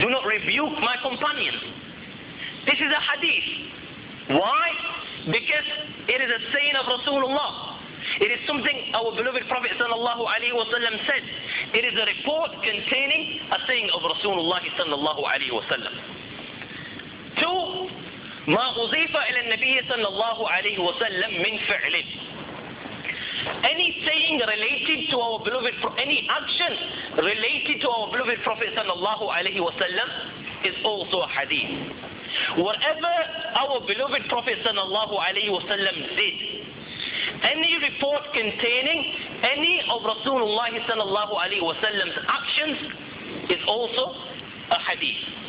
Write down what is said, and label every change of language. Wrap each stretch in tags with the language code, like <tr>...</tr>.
<en>Do not rebuke my companions. This is a hadith. Why? Because it is a saying of Rasulullah. It is something our beloved Prophet sallallahu alayhi wa sallam said. It is a report containing a saying of Rasulullah sallallahu alayhi wa sallam. 2.</en> <ar>ما أضيف إلى النبي صلى الله عليه وسلم من فعل.</ar> <en>Any saying related to our beloved, any action related to our beloved Prophet sallallahu alayhi wa sallam is also a hadith. Whatever our beloved Prophet sallallahu alayhi wa sallam did, any report containing any of Rasulullah sallallahu alayhi wa sallam's actions is also a hadith.</en>